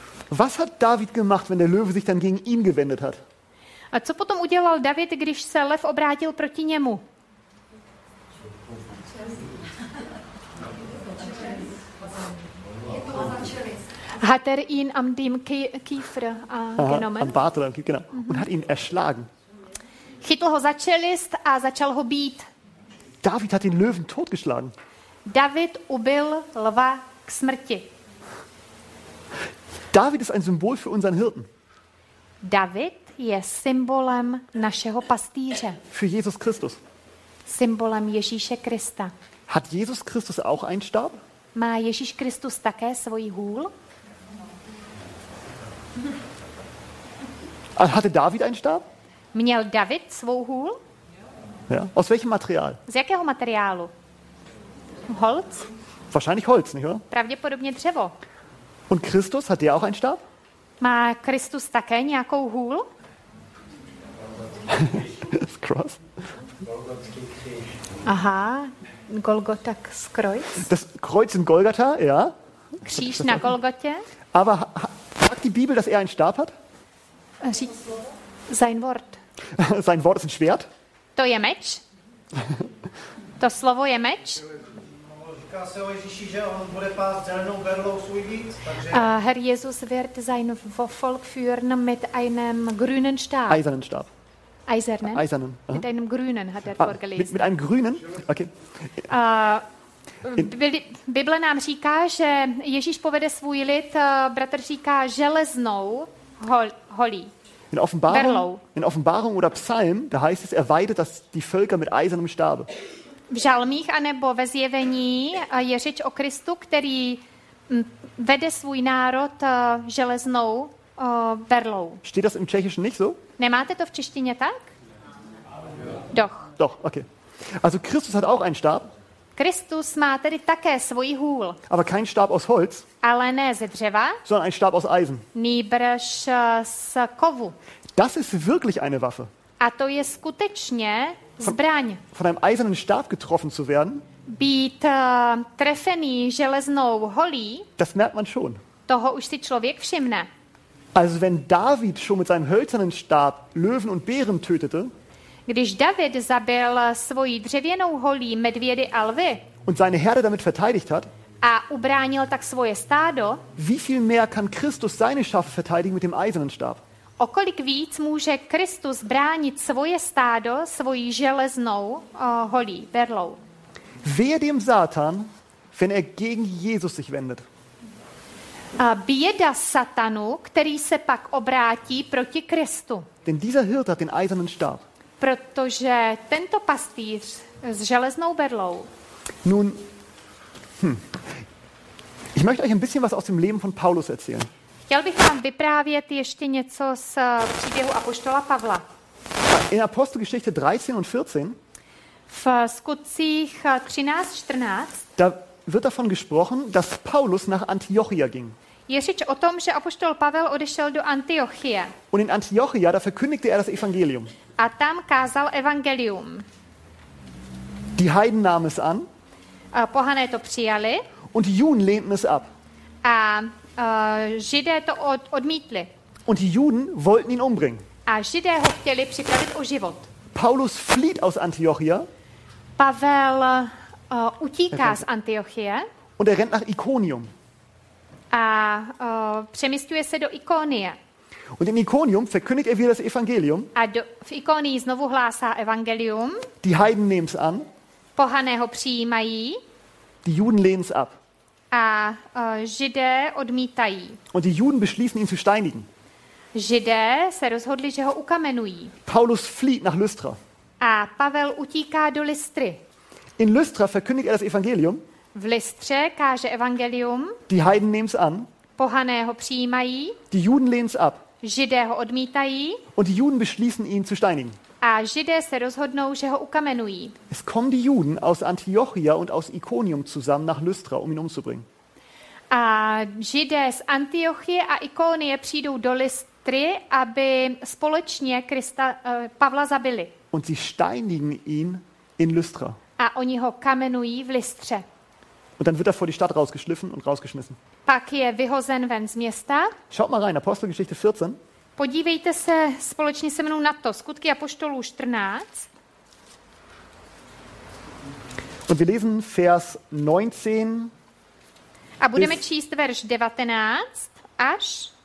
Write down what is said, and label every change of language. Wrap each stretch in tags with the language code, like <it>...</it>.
<de>Was hat David gemacht, wenn der Löwe sich dann gegen ihn gewendet hat?</de> <cs>A co potom udělal David, když se lev obrátil proti němu?</cs> <de>Hat ihn am dem Kiefer genommen? Am Bart oder am Kiefer, genau. Und hat ihn erschlagen.</de> <cs>Chytl ho za čelist a začal ho bít.</cs> <de>David hat den Löwen totgeschlagen.</de> <cs>David ubil lva k smrti.</cs> <de>David ist ein Symbol für unseren Hirten.</de> <cs>David je symbolem našeho pastýře.</cs> <de>Für Jesus Christus.</de> <cs>Symbolem Ježíše Krista.</cs> <de>Hat Jesus Christus auch einen Stab?</de> <cs>Má Ježíš Kristus také svoji hůl?</cs> <de>Hatte David einen Stab?</de> <cs>Měl David svou hůl?</cs> <de>Ja. Aus welchem Material?</de> <cs>Z jakého materiálu? Holz?</cs> <de>Wahrscheinlich Holz, nicht wahr?</de> <cs>Pravděpodobně dřevo.</cs> <de>Und Christus, hat der auch einen Stab?</de> <cs>Má Kristus také nějakou hůl?</cs> <de>Das Kreuz. Aha, Golgota, Kreuz. Das Kreuz in Golgatha, ja.</de> <cs>Kříž na Golgotě.</cs> <de>Aber sagt die Bibel, dass einen Stab hat? Sein Wort. Sein Wort ist ein Schwert?</de> <cs>To je meč. To slovo je meč. Říká se o Ježíši, že on bude pát zelenou berlou svůj víc.</cs> <de>Herr Jesus wird sein Volk führen mit einem grünen Stab. Eisernen Stab. Eisernen. Mit einem grünen hat vorgelesen. Mit einem grünen? Okay.</de> <cs>Bible nám říká, že Ježíš povede svůj lid, bratr říká, železnou holí.</cs> <de>In Offenbarung oder Psalm, da heißt es, er weidet das die Völker mit eisernem Stabe.</de> <cs>V žalmích anebo ve zjevení je řeč o Kristu, který vede svůj národ železnou berlou.</cs> <de>Steht das im Tschechischen nicht so?</de> <cs>Nemáte to v češtině tak?</cs> <de>Doch. Doch, okay. Also Christus hat auch einen Stab.</de> <cs>Kristus má tedy také svoji hůl.</cs> <de>Aber kein Stab aus Holz.</de> <cs>Ale ne ze dřeva.</cs> <de>Sondern ein Stab aus Eisen.</de> <cs>Nýbrž z kovu.</cs> <de>Das ist wirklich eine Waffe.</de> <cs>A to je skutečně zbraň.</cs> <de>Von einem eisernen Stab getroffen zu werden.</de> <cs>Být trefený železnou holí.</cs> <de>Das merkt man schon.</de> <cs>Toho už si člověk všimne.</cs> <de>Also wenn David schon mit seinem hölzernen Stab Löwen und Bären tötete.</de> <cs>Když David zabil svoji dřevěnou holí medvědy a lvy</cs> <de>und seine Herde damit verteidigt hat,</de> <cs>a ubránil tak svoje stádo,</cs> <de>wie viel mehr kann Christus seine Schafe verteidigen mit dem eisernen Stab?</de> <cs>O kolik víc může Kristus bránit svoje stádo svojí železnou holí, berlou?</cs> <de>Wehe dem Satan, wenn er gegen Jesus sich wendet.</de> <cs>A běda Satanu, který se pak obrátí proti Kristu.</cs> <de>Denn dieser Hirte hat den eisernen Stab.</de> <cs>Protože tento pastýř s železnou berlou.</cs> <de>Nun, ich möchte euch ein bisschen was aus dem Leben von Paulus erzählen.</de> <cs>Chtěl bych vám vyprávět ještě něco z příběhu apoštola Pavla.</cs> <de>In Apostelgeschichte 13 und 14.</de> <cs>V Skutcích 13-14.</cs> <de>Da wird davon gesprochen, dass Paulus nach Antiochia ging.</de> <cs>Je řeč o tom, že apoštol Pavel odešel do Antiochie.</cs> <de>Und in Antiochia, da verkündigte er das Evangelium.</de> <cs>A tam kázal evangelium.</cs> <de>Die Heiden nahmen es an.</de> <cs>A pohané to přijali.</cs> <de>Und die Juden lehnten es ab.</de> <cs>A Židé to odmítli.</cs> <de>Und die Juden wollten ihn umbringen.</de> <cs>A Židé ho chtěli připravit o život.</cs> <de>Paulus flieht aus Antiochia.</de> <cs>Pavel utíká z Antiochie.</cs> <de>Und er rennt nach Ikonium.</de> <cs>A přemisťuje se do Ikonie.</cs> <de>Und in Ikonium verkündigt er wieder das Evangelium.</de> <cs>A v Ikonii znovu hlásá evangelium.</cs> <de>Die Heiden nehmen es an.</de> <cs>Pohané ho přijímají.</cs> <de>Die Juden lehnen es ab.</de> <cs>A Židé odmítají.</cs> <de>Und die Juden beschließen ihn zu steinigen.</de> <cs>Židé se rozhodli, že ho ukamenují.</cs> <de>Paulus flieht nach Lystra.</de> <cs>A Pavel utíká do Lystry.</cs> <de>In Lystra verkündigt er das Evangelium.</de> <cs>V Lystře káže evangelium.</cs> <de>Die Heiden nehmen es an.</de> <cs>Pohané ho přijímají.</cs> <de>Die Juden lehnen es ab.</de> <cs>Židé ho odmítají.</cs> <de>Und die Juden beschließen ihn zu steinigen.</de> <cs>A Židé se rozhodnou, že ho ukamenují.</cs> <de>Es kommen die Juden aus Antiochia und aus Ikonium zusammen nach Lystra, um ihn umzubringen.</de> <cs>A Židé z Antiochie a Ikonie přijdou do Lystry, aby společně Krista, Pavla zabili.</cs> <de>Und sie steinigen ihn in Lystra.</de> <cs>A oni ho kamenují v Lystře.</cs> <de>Und dann wird er vor die Stadt rausgeschliffen und rausgeschmissen.</de> <cs>Pak je vyhozen ven z města.</cs> <de>Schaut mal rein, Apostelgeschichte 14.</de> <cs>Podívejte se společně se mnou na to, Skutky apoštolů 14.</cs> <de>Und wir lesen Vers 19.</de> <cs>A budeme číst verš 19 až</cs>